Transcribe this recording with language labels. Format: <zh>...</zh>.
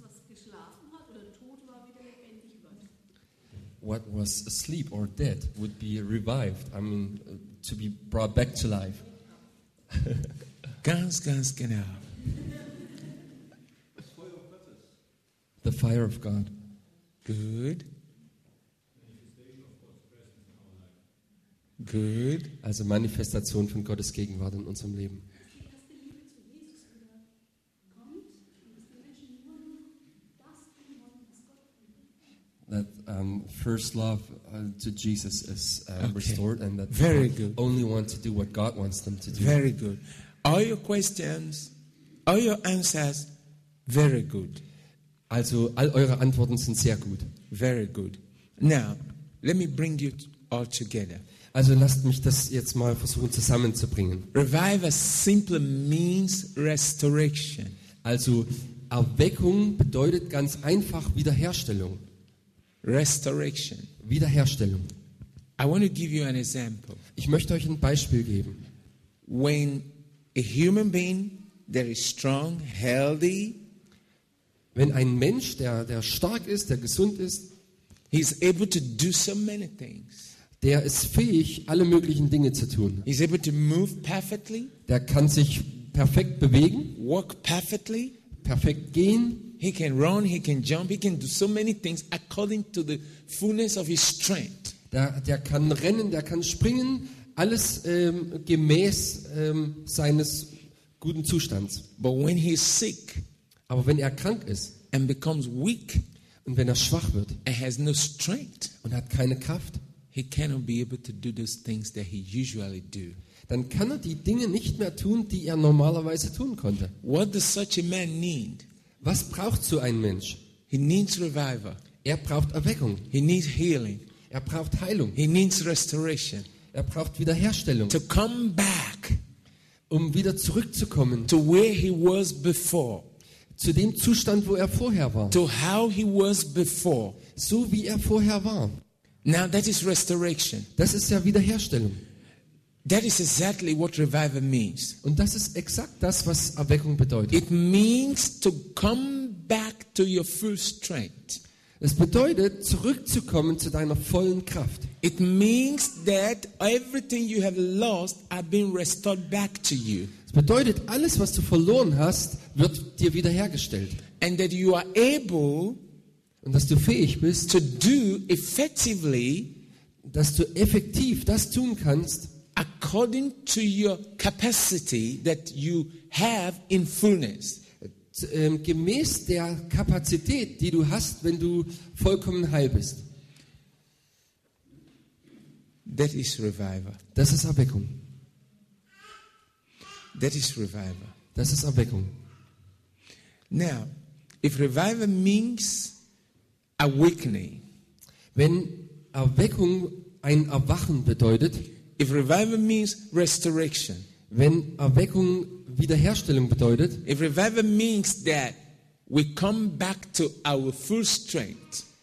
<de>Was geschlafen hat oder tot war, wieder lebendig wird.</de> <en>What was asleep or dead would be revived. I mean, to be brought back to life.</en> <de>Ganz, ganz genau.</de> <en>The fire of God. Good. Good.</en> <de>Also Manifestation von Gottes Gegenwart in unserem Leben.</de> <en>That first love to Jesus is restored, and that very good. Only want to do what God wants them to do. Very good. All your questions, all your answers, very good.</en> <de>Also, all eure Antworten sind sehr gut.</de> <en>Very good. Now, let me bring you all together.</en> <de>Also, lasst mich das jetzt mal versuchen zusammenzubringen.</de> <en>Revival simply means restoration.</en> <de>Also, Erweckung bedeutet ganz einfach Wiederherstellung.</de> <en>Restoration.</en> <de>Wiederherstellung.</de> <en>I want to give you an example.</en> <de>Ich möchte euch ein Beispiel geben.</de> <en>When a human being that is strong, healthy.</en> <de>Wenn ein Mensch, der stark ist, der gesund ist,</de> <en>he's able to do so many things.</en> <de>Der ist fähig, alle möglichen Dinge zu tun.</de> <en>He's able to move perfectly.</en> <de>Der kann sich perfekt bewegen.</de> <en>Walk perfectly.</en> <de>Perfekt gehen.</de> <en>He can run. He can jump. He can do so many things according to the fullness of his strength.</en> <de>Der kann rennen. Der kann springen. Alles gemäß seines guten Zustands.</de> <en>But when he is sick,</en> <de>aber wenn er krank ist</de> <en>and becomes weak,</en> <de>und wenn er schwach wird</de> <en>and has no strength,</en> <de>und hat keine Kraft,</de> <en>he cannot be able to do those things that he usually do.</en> <de>Dann kann er die Dinge nicht mehr tun, die er normalerweise tun konnte.</de> <en>What does such a man need?</en> <de>Was braucht so ein Mensch?</de> <en>He needs revival.</en> <de>Er braucht Erweckung.</de> <en>He needs healing.</en> <de>Er braucht Heilung.</de> <en>He needs restoration.</en> <de>Er braucht Wiederherstellung.</de> <en>To come back,</en> <de>um wieder zurückzukommen.</de> <en>To where he was before.</en> <de>Zu dem Zustand, wo er vorher war.</de> <en>To how he was before.</en> <de>So wie er vorher war.</de> <en>Now that is restoration.</en> <de>Das ist ja Wiederherstellung.</de> <en>That is exactly what revival means.</en> <de>Und das ist exakt das, was Erweckung bedeutet.</de> <en>It means to come back to your full strength.</en> <de>Es bedeutet, zurückzukommen zu deiner vollen Kraft.</de> <en>It means that everything you have lost has been restored back to you.</en> <de>Es bedeutet, alles, was du verloren hast, wird dir wiederhergestellt.</de> <en>And that you are able,</en> <de>und dass du fähig bist,</de> <en>to do effectively,</en> <de>dass du effektiv das tun kannst,</de> <en>according to your capacity that you have in fullness.</en> <de>Gemäß der Kapazität, die du hast, wenn du vollkommen heil bist.</de> <en>That is revival.</en> <de>Das ist Erweckung.</de> <en>That is revival.</en> <de>Das ist Erweckung.</de> <en>Now, if revival means awakening,</en> <de>wenn Erweckung ein Erwachen bedeutet,</de> <en>if revival means restoration,</en> <de>wenn Erweckung Wiederherstellung bedeutet,</de> <en>if revival means that we come back to our full strength,</en>